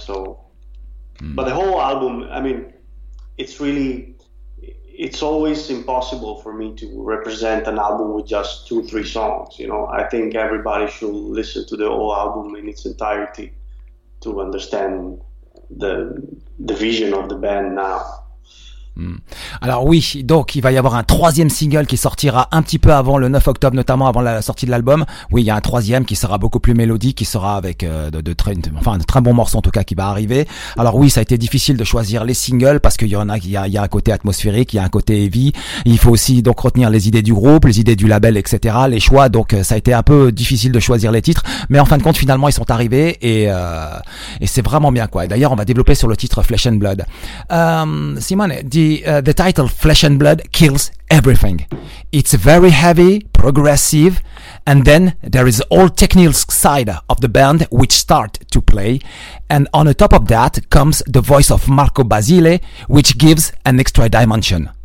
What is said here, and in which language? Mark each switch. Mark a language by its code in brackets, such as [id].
[en] So, but the whole album, I mean, it's always impossible for me to represent an album with just 2-3 songs. You know, I think everybody should listen to the whole album in its entirety to understand the vision of the band now. [fr] Alors oui, donc il va y avoir un troisième single qui sortira un petit peu avant le 9 octobre, notamment avant la sortie de l'album. Oui, il y a un troisième qui sera beaucoup plus mélodique, qui sera avec de très bon morceau en tout cas qui va arriver. Alors oui, ça a été difficile de choisir les singles parce qu'il y en a, il y a un côté atmosphérique, il y a un côté heavy. Il faut aussi donc retenir les idées du groupe, les idées du label, etc. Les choix, donc ça a été un peu difficile de choisir les titres. Mais en fin de compte, finalement, ils sont arrivés et c'est vraiment bien quoi. D'ailleurs, on va développer sur le titre Flesh and Blood. [en] Simone, the title Flesh and Blood kills everything. It's very heavy, progressive, and then there is all technical side of the band which start to play, and on the top of that comes the voice of Marco Basile, which gives an extra dimension.